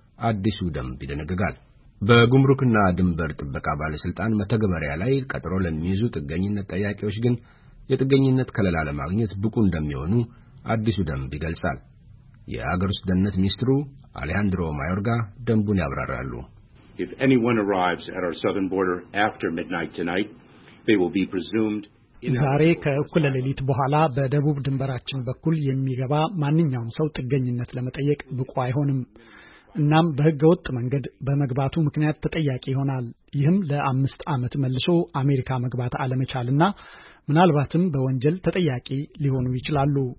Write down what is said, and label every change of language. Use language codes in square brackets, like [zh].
[am] አዲሱ ደንብ ይደነግጋል። በጉምሩክና ድንበር ጥበቃ ባለስልጣን መተግበሪያ ላይ ቀጥሮ ለሚይዙ ጥገኝነት ጠያቂዎች ግን የጥገኝነት ከለላ ለማግኘት ብቁ እንደሚሆኑ አዲሱ ደንብ ይገልጻል። የአገር ውስጥ ደህንነት ሚኒስትሩ አሌሃንድሮ ማዮርጋ ደንቡን ያብራራሉ። [en] If anyone arrives at our southern border after midnight tonight, they will be presumed [am] ዛሬ ከእኩለ ሌሊት በኋላ በደቡብ ድንበራችን በኩል የሚገባ ማንኛውም ሰው ጥገኝነት ለመጠየቅ ብቁ አይሆንም። እናም በሕገ ወጥ መንገድ በመግባቱ ምክንያት ተጠያቂ ይሆናል። ይህም ለአምስት ዓመት መልሶ አሜሪካ መግባት አለመቻልና ምናልባትም በወንጀል ተጠያቂ ሊሆኑ ይችላሉ።